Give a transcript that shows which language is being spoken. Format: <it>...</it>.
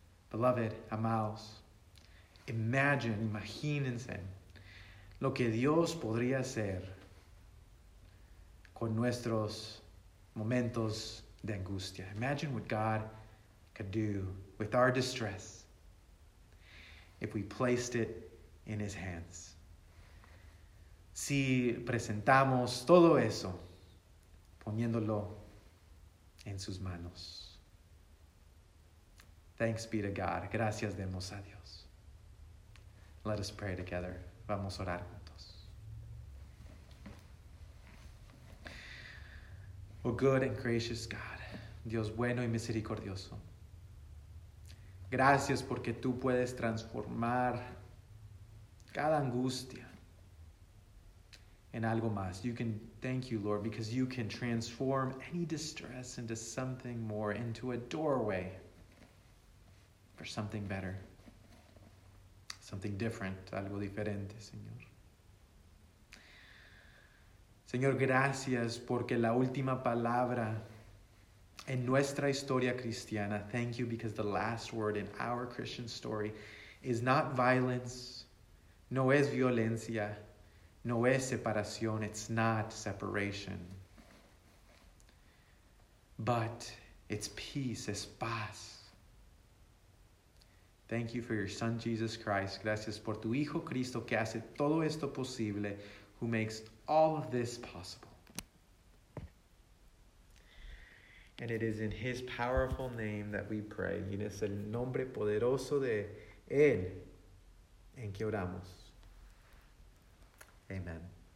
<en>Beloved,</en> <es>amados, imagínense lo que Dios podría hacer con nuestros momentos de angustia.</es> <en>Imagine what God could do with our distress if we placed it in His hands.</en> <es>Si presentamos todo eso poniéndolo en sus manos.</es> <en>Thanks be to God.</en> <es>Gracias demos a Dios.</es> <en>Let us pray together.</en> <es>Vamos a orar juntos.</es> <en>Oh, good and gracious God,</en> <es>Dios bueno y misericordioso. Gracias porque tú puedes transformar cada angustia en algo más.</es> <en>You can thank you, Lord, because you can transform any distress into something more, into a doorway for something better, something different,</en> <es>algo diferente, Señor.</es> <en>So</en> <es>Señor, gracias porque la última palabra en nuestra historia cristiana,</es> <en>thank you because the last word in our Christian story is not violence,</en> <es>no es violencia, no es separación,</es> <en>it's not separation. But it's peace,</en> <es>es paz.</es> <en>Thank you for your son, Jesus Christ.</en> <es>Gracias por tu hijo, Cristo, que hace todo esto posible,</es> <en>who makes all of this possible. And it is in his powerful name that we pray.</en> <es>Y es el nombre poderoso de él en que oramos. Amen.</es>